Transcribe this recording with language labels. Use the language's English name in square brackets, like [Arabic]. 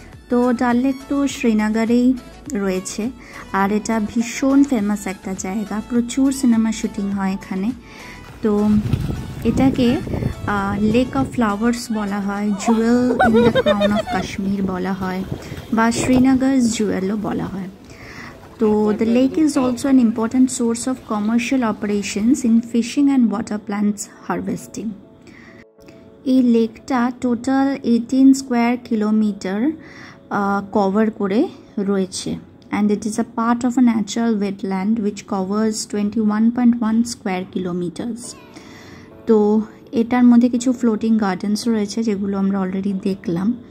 [Bangla] তো ডাল লেক তো শ্রীনগরেই রয়েছে আর এটা ভীষণ ফেমাস একটা জায়গা, প্রচুর সিনেমা শুটিং হয় এখানে। তো এটাকে লেক অফ ফ্লাওয়ার্স বলা হয়, [English] jewel in the crown of Kashmir [Bangla] বলা হয় বা শ্রীনগর জুয়েলও বলা হয়। [English] So the lake is also an important source of commercial operations in fishing and water plants harvesting. [Bangla] এই লেকটা টোটাল 18 স্কোয়ার কিলোমিটার কভার করে রয়েছে [English] And it is a part of a natural wetland which covers 21.1 square kilometres. [Bangla] তো এটার মধ্যে কিছু floating gardens রয়েছে যেগুলো আমরা অলরেডি দেখলাম।